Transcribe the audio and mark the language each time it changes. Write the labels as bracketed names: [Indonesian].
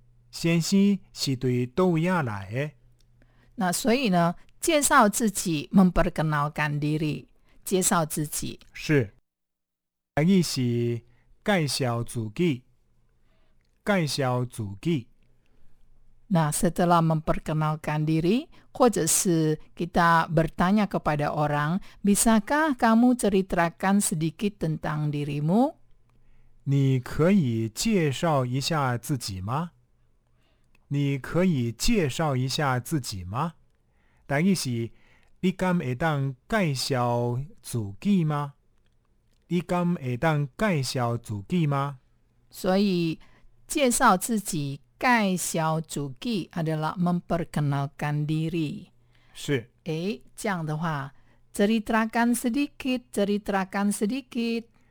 [Chinese] 先生是对多维亚来的。那所以呢，介绍自己 [Indonesian] memperkenalkan diri, [Chinese] 介绍自己是台语是介绍自己，介绍自己。 [Indonesian] Nah, setelah memperkenalkan diri, [Chinese] 或者是 [Indonesian] kita bertanya kepada orang, bisakah kamu ceritakan sedikit tentang dirimu? [Chinese] 你可以介绍一下自己吗？你可以介绍一下自己吗？台语是你敢会当介绍自己吗？你敢会当介绍自己吗？所以介绍自己介绍自己 [Indonesian] adalah memperkenalkan diri. [Chinese] 是。诶，这样的话 [Indonesian] ceritakan sedikit, ceritakan sedikit.